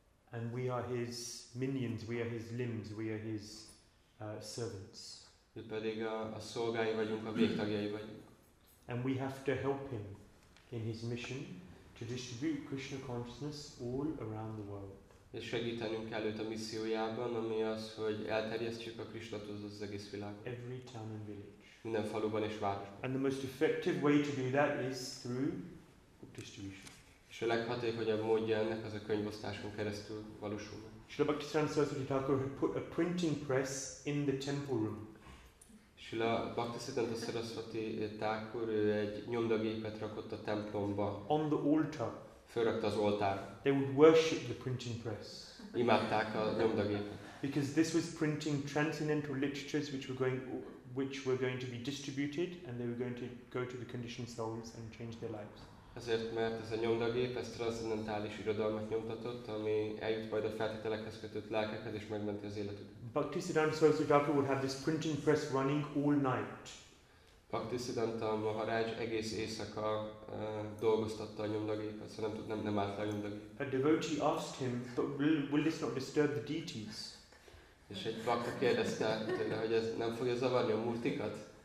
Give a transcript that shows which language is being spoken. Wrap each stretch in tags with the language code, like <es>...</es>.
<en>And we are his minions, we are his limbs, we are his servants.</en> <hu>Mi pedig a szolgái vagyunk, a végtagjai vagyunk.</hu> <en>And we have to help him in his mission to distribute Krishna consciousness all around the world.</en> <hu>És segítenünk kell őt a missziójában, ami az, hogy elterjesztjük a Krishna tudatot az egész világon.</hu> <en>Every town and village.</en> <hu>Minden faluban és városban.</hu> <en>And the most effective way to do that is through book distribution.</en> <hu>És a leghatékonyabb módja ennek az a könyvosztáson keresztül valósul.</hu> <en>Srila Bhaktisiddhanta Saraswati Thakur had put a printing press in the temple room.</en> <hu>Srila Bhaktisiddhanta Saraswati Thakur egy nyomdagépet rakott a templomba.</hu> <en>On the altar.</en> <hu>Fölrakta az oltár.</hu> <en>They would worship the printing press.</en> <hu>Imádták a nyomdagépet.</hu> <en>Because this was printing transcendental literatures which were going to be distributed and they were going to go to the conditioned souls and change their lives.</en> <hu>Azért, mert ez a nyomdagép, ez transzendentális irodalmat nyomtatott, ami eljut majd a feltételekhez kötött lelkekhez, és megmenti az életüket.</hu> <en>Bhaktisiddhanta Saraswati Thakur would have this printing press running all night.</en> <hu>Bhaktisiddhanta Maharaj egész éjszaka dolgoztatta a nyomdagépet, szóval nem állt a nyomdagép.</hu> <en>A devotee asked him, but will this not disturb the deities?</en> <hu>És egy bhakta kérdezte tőle, hogy ez nem fogja zavarni a murtikat?</hu>